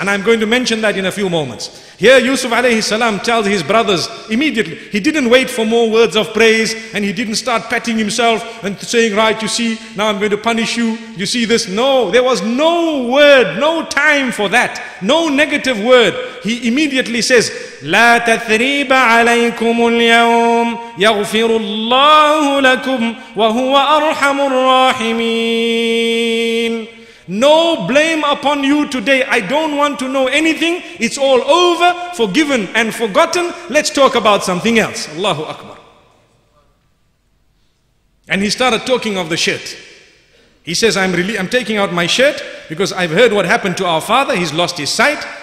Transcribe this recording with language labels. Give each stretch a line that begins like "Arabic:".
English: And I'm going to mention that in a few moments. Here Yusuf alayhi salam tells his brothers immediately. He didn't wait for more words of praise, and he didn't start patting himself and saying, right, you see, now I'm going to punish you, you see this. No, there was no word, no time for that, no negative word. He immediately says,
Arabic: لا تثريب عليكم اليوم يغفر الله لكم وهو أرحم الراحمين.
English: No blame upon you today. I don't want to know anything. It's all over, forgiven and forgotten. Let's talk about something else. Allahu Akbar. And he started talking of the shirt. He says, I'm taking out my shirt because I've heard what happened to our father. He's lost his sight.